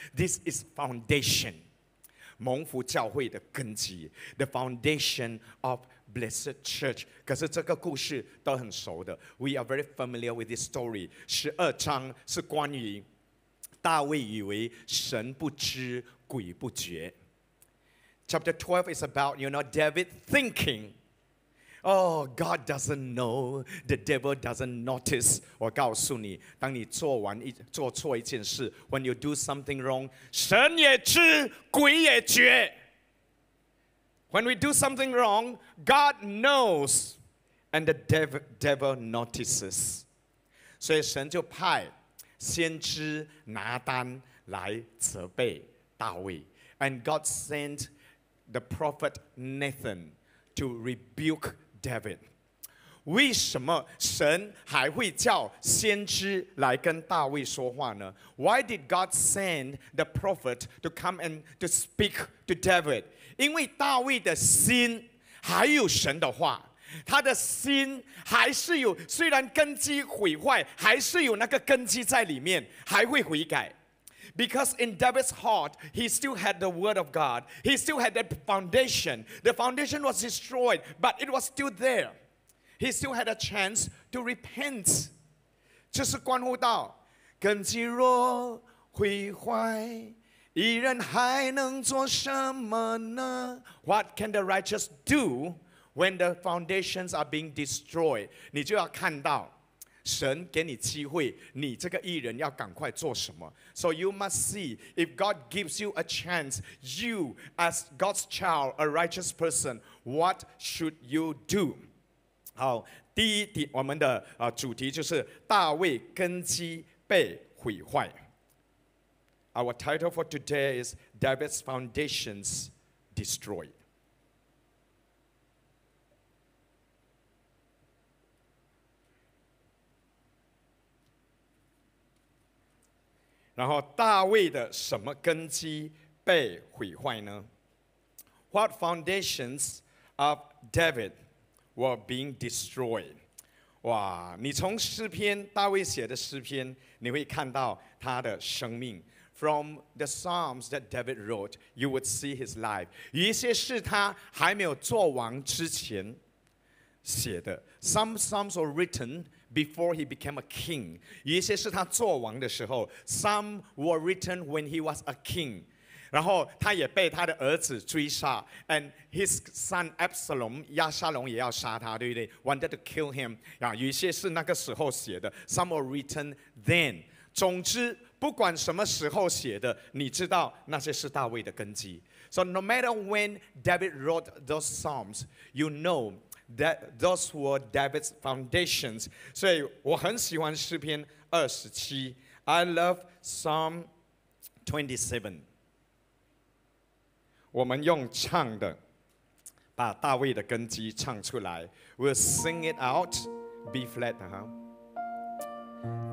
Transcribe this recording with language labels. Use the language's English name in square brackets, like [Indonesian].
[English] This is foundation, [Chinese] 蒙福教会的根基 [English] the foundation of Blessed Church. [Chinese] 可是这个故事都很熟的。 [English] We are very familiar with this story. [Chinese] 十二章是关于大卫以为神不知。鬼不觉。 [English] Chapter 12 is about, you know, David thinking, oh, God doesn't know, the devil doesn't notice. [Chinese] 我告诉你，当你做完一做错一件事， [English] when you do something wrong, [Chinese] 神也知，鬼也觉。 [English] When we do something wrong, God knows, and the devil notices. [Chinese] 所以神就派先知拿单来责备。 [English] And God sent the prophet Nathan to rebuke David. [Chinese] 为什么神还会叫先知来跟大卫说话呢? [English] Why did God send the prophet to come and to speak to David? [Chinese] 因为大卫的心还有神的话。他的心还是有，虽然根基毁坏，还是有那个根基在里面，还会悔改。 [English] Because in David's heart, he still had the word of God. He still had that foundation. The foundation was destroyed, but it was still there. He still had a chance to repent. [Chinese] 这是关乎到根基若毁坏，一人还能做什么呢? [English] What can the righteous do when the foundations are being destroyed? [Chinese] 你就要看到神给你机会，你这个义人要赶快做什么。 [English] So you must see, if God gives you a chance, you as God's child, a righteous person, what should you do? [Chinese] 好，第一题，我们的主题就是大卫根基被毁坏。 [English] Our title for today is David's Foundations Destroyed. [Chinese] 然后大卫的什么根基被毁坏呢? [English] What foundations of David were being destroyed? [Chinese] 哇，你从诗篇，大卫写的诗篇，你会看到他的生命。 [English] From the Psalms that David wrote, you would see his life. [Chinese] 有一些是他还没有做王之前写的。 [English] Some Psalms were written,Before he became a king, [Chinese] 有一些是他做王的时候 [English] some were written when he was a king. [Chinese] 然后他也被他的儿子追杀 [English] and his son Absalom, [Chinese] 亚沙龙也要杀他，对不对？ [English] Wanted to kill him. [Chinese] 有一些是那个时候写的 [English] some were written then. [Chinese] 总之，不管什么时候写的，你知道那些是大卫的根基。 [English] So no matter when David wrote those psalms, you know. That those were David's foundations. [Chinese] 所以我很喜欢诗篇二十七。 [English] I love Psalm 27. [Chinese] 我们用唱的把大卫的根基唱出来。 [English] We'll sing it out. B flat, huh?